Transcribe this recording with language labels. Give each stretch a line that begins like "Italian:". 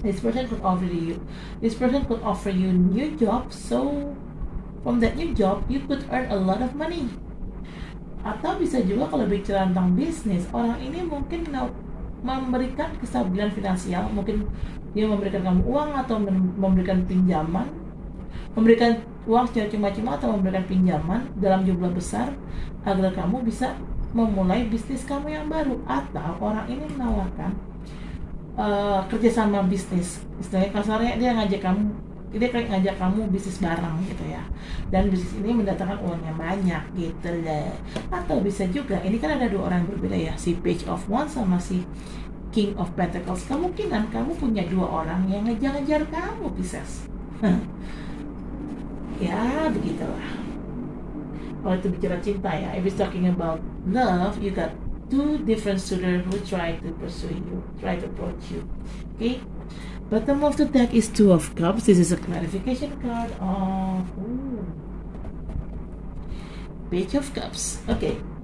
English: This person could offer you new job, so from that new job you could earn a lot of money.
Indonesian: Atau bisa juga kalau bicara tentang bisnis, orang ini mungkin memberikan kestabilan finansial, mungkin dia memberikan kamu uang atau memberikan pinjaman, memberikan uang secara cuma-cuma atau memberikan pinjaman dalam jumlah besar agar kamu bisa memulai bisnis kamu yang baru. Atau orang ini menawarkan kerjasama bisnis, istilahnya kasarnya dia ngajak kamu, dia kayak ngajak kamu bisnis bareng gitu ya, dan bisnis ini mendatangkan uangnya banyak gitu deh. Atau bisa juga, ini kan ada dua orang berbeda ya, si Page of Wands sama si King of Pentacles, kemungkinan kamu punya dua orang yang ngejar-ngejar kamu, Pisces. Ya begitulah kalau itu bicara cinta ya.
English: If it's talking about love, you got two different suitors who try to pursue you, try to approach you. Okay? Bottom of the deck is Two of Cups. This is a clarification card of Page of Cups. Okay.